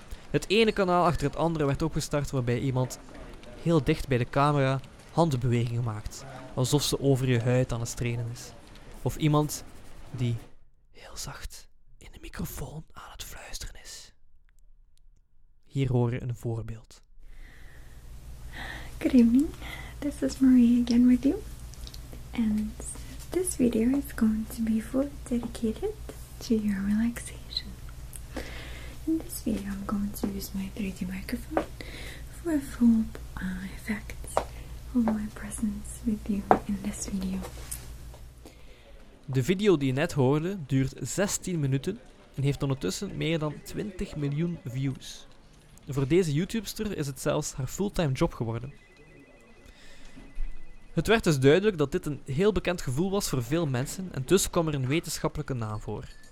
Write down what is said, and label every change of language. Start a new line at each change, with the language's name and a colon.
Dutch: Het ene kanaal achter het andere werd opgestart waarbij iemand heel dicht bij de camera handbewegingen maakt, alsof ze over je huid aan het trainen is. Of iemand die heel zacht in de microfoon aan het fluisteren is. Hier hoor je een voorbeeld.
English: Good evening, this is Marie again with you. And this video is going to be fully dedicated to your relaxation. In this video, I'm going to use my 3D microphone for a full effect of my presence with you in this video.
Dutch: De video die je net hoorde duurt 16 minuten en heeft ondertussen meer dan 20 miljoen views. Voor deze YouTubester is het zelfs haar fulltime job geworden. Het werd dus duidelijk dat dit een heel bekend gevoel was voor veel mensen en dus kwam er een wetenschappelijke naam voor.